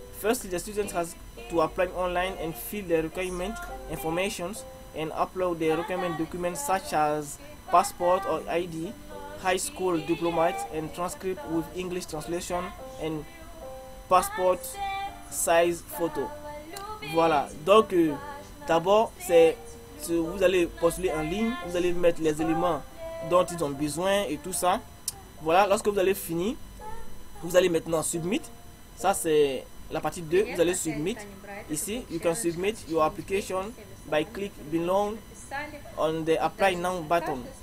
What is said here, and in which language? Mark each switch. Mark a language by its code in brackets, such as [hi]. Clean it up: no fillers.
[en] First, the student has to apply online and fill the requirement information and upload the requirement documents such as passport or ID, high school diploma and transcript with English translation and passport size photo. [fr] Voilà. Donc, d'abord, c'est vous allez postuler en ligne, vous allez mettre les éléments dont ils ont besoin et tout ça. Voilà, lorsque vous allez finir, vous allez maintenant submit. Ça, c'est la partie 2. Vous allez submit. Ici, [en] you can submit your application by click below on the apply now button.